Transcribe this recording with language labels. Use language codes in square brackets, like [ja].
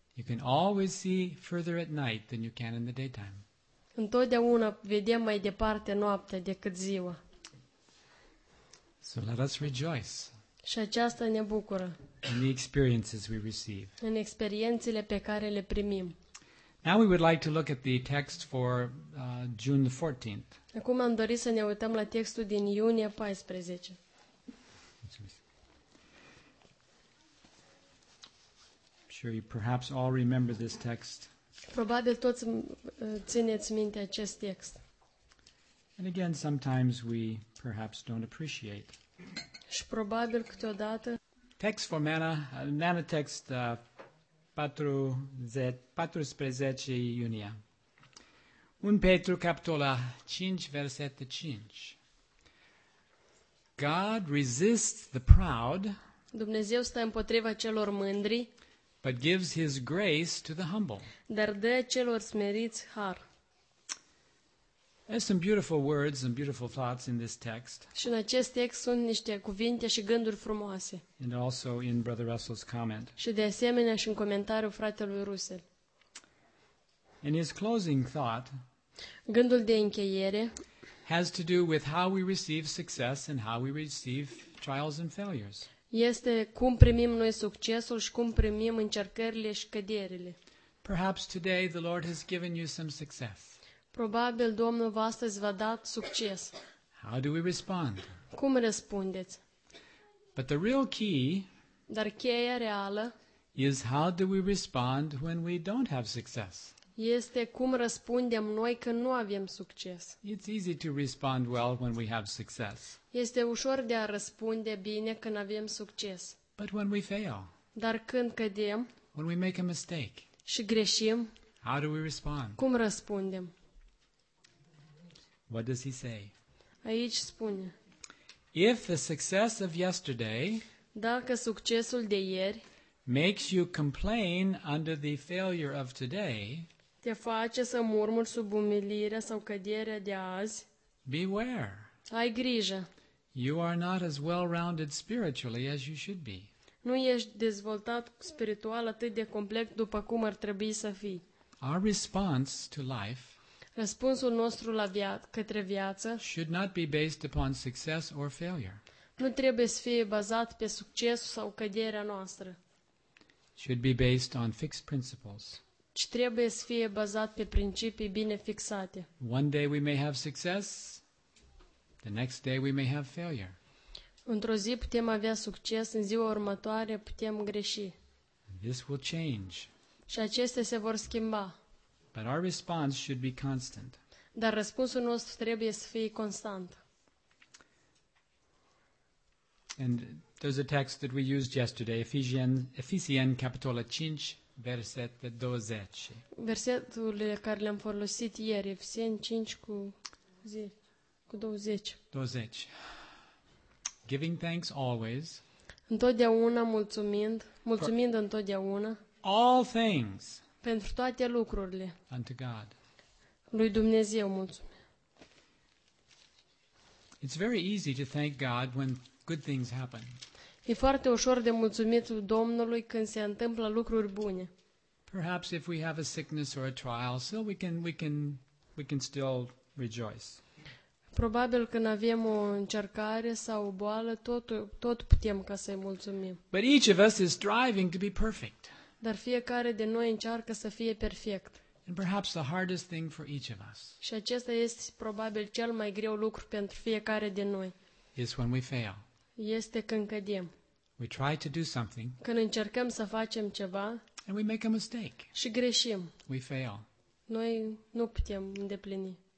[en] You can always see further at night than you can in the daytime. [ro] Întotdeauna vedem mai departe noaptea decât ziua. [en] So let us rejoice. [ro] Și aceasta ne bucură. [en] In the experiences we receive. [ro] În experiențele pe care le primim. [en] Now we would like to look at the text for June the 14th. [ro] Acum am dorit să ne uităm la textul din iunie 14. [en] I'm sure you perhaps all remember this text. [ro] Probabil toți țineți minte acest text. [en] And again, sometimes we perhaps don't appreciate. [ro] Și probabil câteodată. [en] Text for manna, manna text 14 iunie. [ro] 1 Petru capitola 5 versetul 5. [en] God resists the proud. [ro] Dumnezeu stă împotriva celor mândri. [en] But gives his grace to the humble. [ro] Dar dă celor smeriți har. [en] There's some beautiful words and beautiful thoughts in this text. [ro] Și în acest text sunt niște cuvinte și gânduri frumoase. [en] And also in Brother Russell's comment. [ro] Și de asemenea și în comentariul fratelui Russell. [en] And his closing thought. [ro] Gândul de încheiere. [en] Has to do with how we receive success and how we receive trials and failures. [ro] Este cum primim noi succesul și cum primim încercările și căderile. [en] Perhaps today the Lord has given you some success. [ro] Probabil Domnul v-a astăzi v-a dat succes. [en] How do we respond? [ro] Cum răspundeți? [en] But the real key, [ro] dar cheia reală, [en] is how do we respond when we don't have success? [ro] Este cum răspundem noi când nu avem succes. [en] It's easy to respond well when we have success. [ro] Este ușor de a răspunde bine când avem succes. [en] But when we fail, [ro] dar când cădem, [en] when we make a mistake, [ro] și greșim, [en] how do we respond? [ro] Cum răspundem? [en] What does he say? [ro] Aici spune. [en] If the success of yesterday, [ro] dacă succesul de ieri, [en] makes you complain under the failure of today, [ro] te face să murmuri sub umilirea sau căderea de azi, [en] beware. [ro] Ai grijă. [en] You are not as well-rounded spiritually as you should be. [ro] Nu ești dezvoltat spiritual atât de complet după cum ar trebui să fii. [en] Our response to life, [ro] răspunsul nostru la către viață, [en] should not be based upon success or failure. [ro] Nu trebuie să fie bazat pe succesul sau căderea noastră. [en] Should be based on fixed principles. [ro] Ci trebuie să fie bazat pe principii bine fixate. [en] One day we may have success, the next day we may have failure. [ro] Într-o zi putem avea succes, în ziua următoare putem greși. [en] This will change. [ro] Și acestea se vor schimba. [en] But our response should be constant. [ro] Dar răspunsul nostru trebuie să fie constant. [en] And there's a text that we used yesterday, Ephesians [ro] capitolul 5, versetul 20. Versetele care le-am folosit ieri, Ephesians 5 cu 20. [en] 20. Giving thanks always. [ro] Întotdeauna mulțumind întotdeauna. [en] All things. [ro] Pentru toate lucrurile. [en] Unto God. [ro] Lui Dumnezeu mulțumesc. [en] It's very easy to thank God when good things happen. [ro] E foarte ușor de mulțumit Domnului când se întâmplă lucruri bune. [en] Perhaps if we have a sickness or a trial, so we can still rejoice. [ro] Probabil când avem o încercare sau o boală, tot putem ca să-i mulțumim. [en] But each of us is striving to be perfect. [ro] Dar fiecare de noi încearcă să fie perfect. [en] And perhaps the hardest thing for each of us. [ro] Și acesta este probabil cel mai greu lucru pentru fiecare de noi. [en] Is when we fail. [ro] Este când cădem. [en] We try to do something. [ro] Când încercăm să facem ceva. [en] And we make a mistake. [ro] Și greșim. [en] We fail. [ro] Noi nu putem îndeplini.